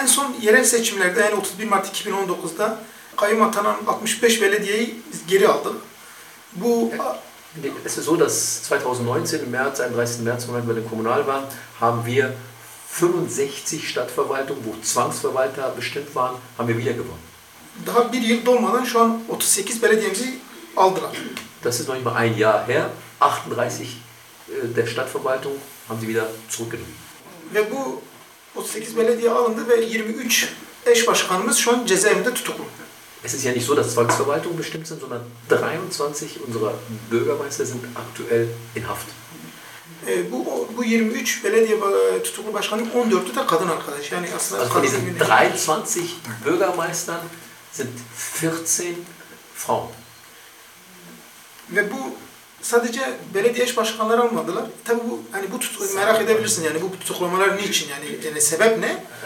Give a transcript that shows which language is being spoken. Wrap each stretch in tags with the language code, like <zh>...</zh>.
<tr>En son yerel seçimlerde, yani 31 Mart 2019'da kayyum atanan 65 belediyeyi biz geri aldık. Bu...</tr> <de>Es ist so, dass 2019 im März, 31. März, Moment, bei den Kommunalwahlen, haben wir 65 Stadtverwaltungen, wo Zwangsverwalter bestimmt waren, haben wir wieder gewonnen.</de> <tr>Daha bir yıl dolmadan şu an 38 belediyemizi aldılar.</tr> <de>Das ist noch nicht mal ein Jahr her. 38 der Stadtverwaltung haben sie wieder zurückgenommen.</de> <tr>Ve bu 38 belediye alındı ve 23 eş başkanımız şu an cezaevinde tutuklu.</tr> <de>Es ist ja nicht so, dass Zwangsverwaltungen bestimmt sind, sondern 23 unserer Bürgermeister sind aktuell in Haft.</de> <tr>Bu 23 belediye tutuklu başkanın 14'ü de kadın arkadaş. Yani aslında</tr> <de>also von diesen 23 Bürgermeistern sind 14 Frauen.</de> <tr>Ve bu sadece belediye eş başkanları almadılar. Tabi bu hani bu merak edebilirsin yani bu tutuklamalar niçin yani sebep ne?</tr>